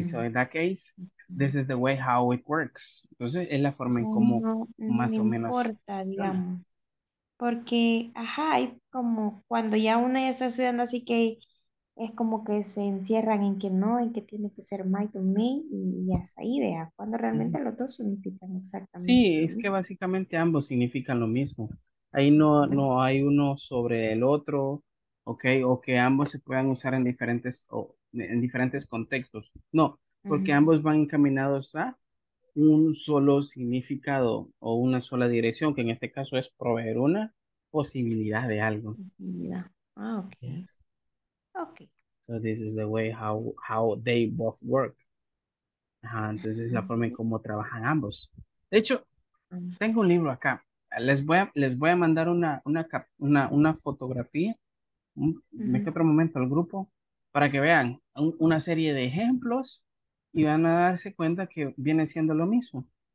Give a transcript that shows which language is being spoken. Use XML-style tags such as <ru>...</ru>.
<en>Uh-huh. So in that case, this is the way how it works.</en> <es>Entonces, es la forma en cómo no, más no o menos. No importa, digamos. Porque, ajá, hay como cuando ya una ya está estudiando así que es como que se encierran en que no, en que tiene que ser might o may, y hasta ahí vea, cuando realmente los dos significan exactamente. Sí, es que básicamente ambos significan lo mismo. Ahí no, no hay uno sobre el otro, ¿ok? O que ambos se puedan usar en diferentes, o en diferentes contextos. No, porque ambos van encaminados a un solo significado o una sola dirección, que en este caso es proveer una posibilidad de algo.</es> <en>Ah, ok. Yes. Ok. So this is the way how they both work.</en> <es>Entonces es la forma en cómo trabajan ambos. De hecho, tengo un libro acá. Les voy a mandar una fotografía en otro momento al grupo para que vean una serie de ejemplos y van a darse cuenta que viene siendo lo mismo.</es>